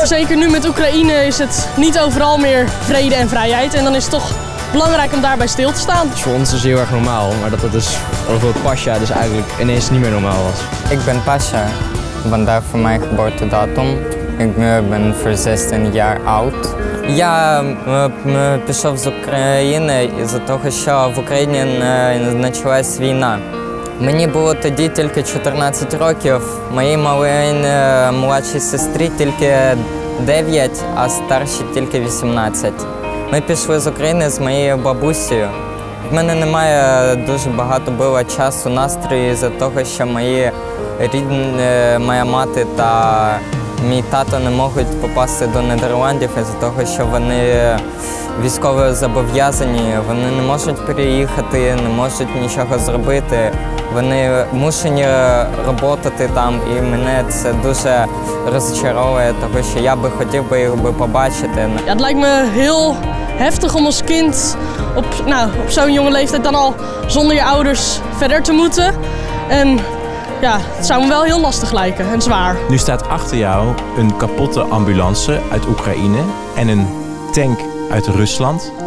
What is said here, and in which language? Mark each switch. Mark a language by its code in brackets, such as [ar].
[nl] Zeker nu met Oekraïne is het niet overal meer vrede en vrijheid. En dan is het toch belangrijk om daarbij stil te staan. Dus voor ons is het heel erg normaal. Maar dat het dus over het pasjaar dus eigenlijk ineens niet meer normaal was. Ik ben Pasha. Vandaag voor mijn geboortedatum. Ik ben 16 jaar oud. [uk] Ja, пішов з України. Із-за того, що в Україні почалась війна. Мені було тоді тільки 14 років, моїй молодшій сестрі тільки 9, а старшій тільки 18. Ми пішли з України з моєю бабусею. В мене немає дуже багато було часу, настрою з-за того, що мої рідні, моя мати та мій тато не можуть попасти до Нідерландів із-за того, що вони військово зобов'язані, вони не можуть переїхати, не можуть нічого зробити. Вони мушені працювати там, і мене це дуже розчаровує, тому що я би хотів би їх би побачити. [nl] Ja, het lijkt me heel heftig om als kind op zo'n jonge leeftijd dan al zonder je ouders verder te moeten. En ja, het zou me wel heel lastig lijken en zwaar. Nu staat achter jou een kapotte ambulance uit Oekraïne en een tank uit Rusland.